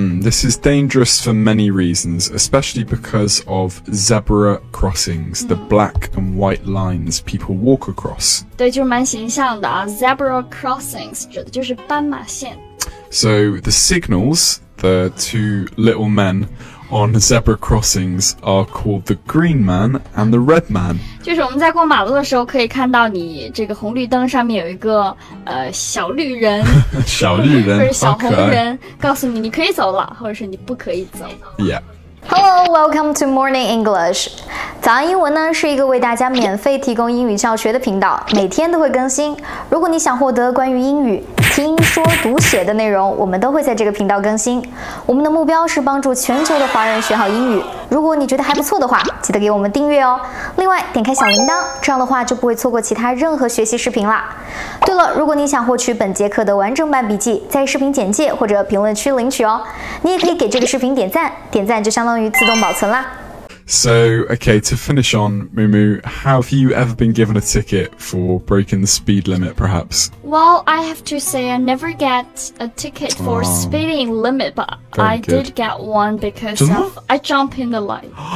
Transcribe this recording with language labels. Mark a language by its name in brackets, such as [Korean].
[English] This is dangerous for many reasons, especially because of zebra crossings, the black and white lines people walk across. [Chinese] 对，就是蛮形象的啊。 [English] Zebra crossings [Chinese] 指的就是斑马线。 [English] So the signals, the two little men... On zebra crossings are called the green man and the red man. [Chinese] 就是我们在过马路的时候可以看到你这个红绿灯上面有一个小绿人。小绿人。或者小红人告诉你你可以走了或者是你不可以走。 [English] Yeah. Hello, welcome to Morning English. [Chinese] 早安英文呢是一个为大家免费提供英语教学的频道，每天都会更新。如果你想获得关于英语听说读写的内容，我们都会在这个频道更新。我们的目标是帮助全球的华人学好英语。如果你觉得还不错的话，记得给我们订阅哦。另外，点开小铃铛，这样的话就不会错过其他任何学习视频啦。对了，如果你想获取本节课的完整版笔记，在视频简介或者评论区领取哦。你也可以给这个视频点赞，点赞就相当于自动保存啦。 [English] So, okay, to finish on, Mumu, have you ever been given a ticket for breaking the speed limit, perhaps? Well, I have to say I never get a ticket for speeding limit, but I did get one because I jump in the light.